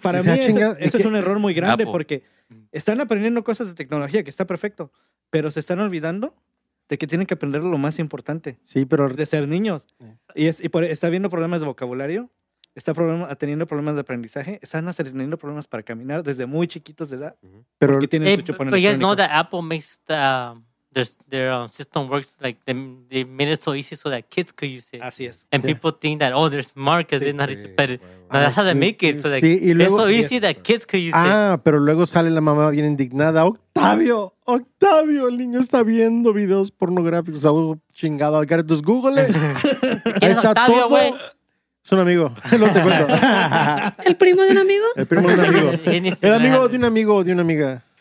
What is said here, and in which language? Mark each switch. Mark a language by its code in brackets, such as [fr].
[es] Para mí eso es un error muy grande porque están aprendiendo cosas de tecnología, que está perfecto, pero se están olvidando de que tienen que aprender lo más importante. Sí, pero de ser niños. Y está viendo problemas de vocabulario, está teniendo problemas de aprendizaje, están teniendo problemas para caminar desde muy chiquitos de edad. Pero tienen su chupón electrónico. Pero ya no, [en] that Apple makes the... Their system works like they made it so easy so that kids could use it. [es] Así es. [en] And people think that, oh, they're smart because they're not easy. But that's how they make it. It's so easy that kids could use it. [es] Ah, pero luego sale la mamá bien indignada. ¡Octavio! El niño está viendo videos pornográficos. Algo chingado. Al Gareth, Google. ¿Quién es Octavio, güey? Es un amigo. No te cuento. ¿El primo de un amigo? El primo de un amigo. El amigo de un amigo o de una amiga.